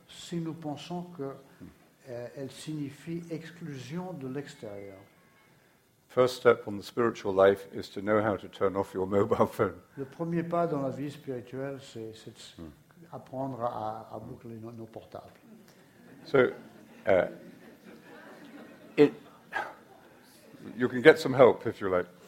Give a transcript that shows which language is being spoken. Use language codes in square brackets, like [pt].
[fr] Si nous pensons que elle signifie exclusion de l'extérieur. [en] First step on the spiritual life is to know how to turn off your mobile phone. [fr] Le premier pas dans la vie spirituelle, c'est apprendre à boucler nos portables. [en] So, you can get some help if you like.